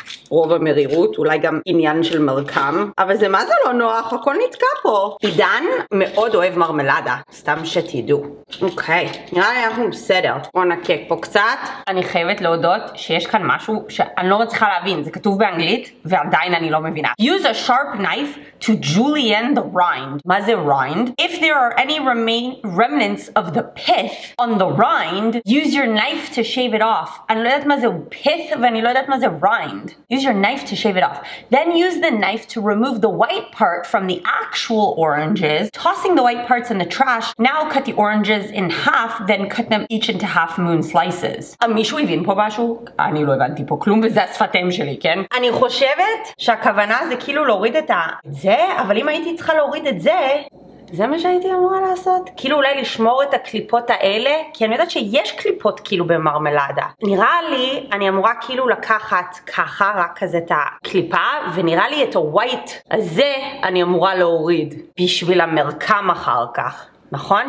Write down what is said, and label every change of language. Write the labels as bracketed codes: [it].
[he] רוב המרירות, אולי גם עניין של מרקם, אבל זה מה זה לא נוח, הכל נתקע פה. עידן מאוד אוהב מרמלדה, סתם שתדעו. אוקיי, נראה לי אנחנו בסדר. בוא נקק פה קצת. אני חייבת להודות שיש כאן משהו שאני לא מצליחה להבין, זה כתוב באנגלית ועדיין אני לא מבינה. [en] Use a sharp knife to julienne the rind. [he] מה זה [en] rind? If there are any remnants of the pith on the rind, use your knife to shave it off. [he] אני לא יודעת מה זה pith ואני לא יודעת מה זה rind. [en] Use your knife to shave it off. Then use the knife to remove the white part from the actual oranges, tossing the white parts in the trash. Now cut the oranges in half, then cut them each into half moon slices. [he] מישהו הבין פה משהו? אני לא הבנתי פה כלום, וזה השפתם שלי, כן? אני חושבת שהכוונה זה כאילו להוריד את זה, אבל אם הייתי צריכה להוריד את זה, זה מה שהייתי אמורה לעשות? כאילו אולי לשמור את הקליפות האלה? כי אני יודעת שיש קליפות כאילו במרמלדה. נראה לי, אני אמורה כאילו לקחת ככה רק כזה את הקליפה, ונראה לי את הווייט הזה אני אמורה להוריד בשביל המרקם אחר כך. נכון?